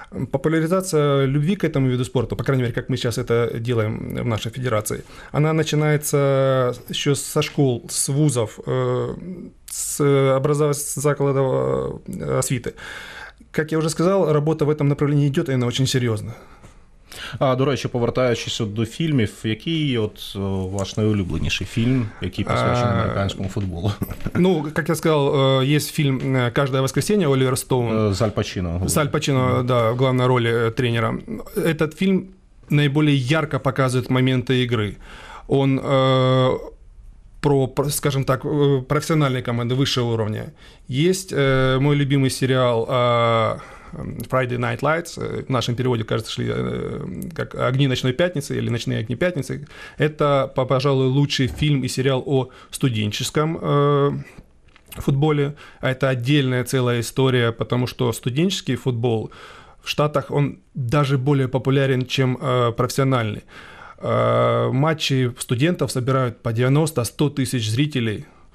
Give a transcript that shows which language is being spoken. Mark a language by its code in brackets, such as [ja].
[ru] Популяризация любви к этому виду спорта, по крайней мере, как мы сейчас это делаем в нашей федерации, она начинается еще со школ, с вузов, с образования заклада освиты. Как я уже сказал, работа в этом направлении идет, и она очень серьезна. [uk] А, до речі, повертаючись до фільмів, який от ваш найулюбленіший фільм, який присвячений американському футболу? Ну, як я сказав, є фільм «Каждое воскресенье» Олівера Стоуна. З Аль Пачино. [ru] З Аль Пачино, да, в главной роли тренера. Этот фільм наиболее ярко показывает моменты игры. Он про, скажем так, профессиональные команды высшего уровня. Есть мой любимый сериал Friday Night Lights, в нашем переводе, кажется, шли как «Огни ночной пятницы» или «Ночные огни пятницы». Это, пожалуй, лучший фильм и сериал о студенческом футболе. Это отдельная целая история, потому что студенческий футбол в Штатах, он даже более популярен, чем профессиональный. Матчи студентов собирают по 90-100 тысяч зрителей.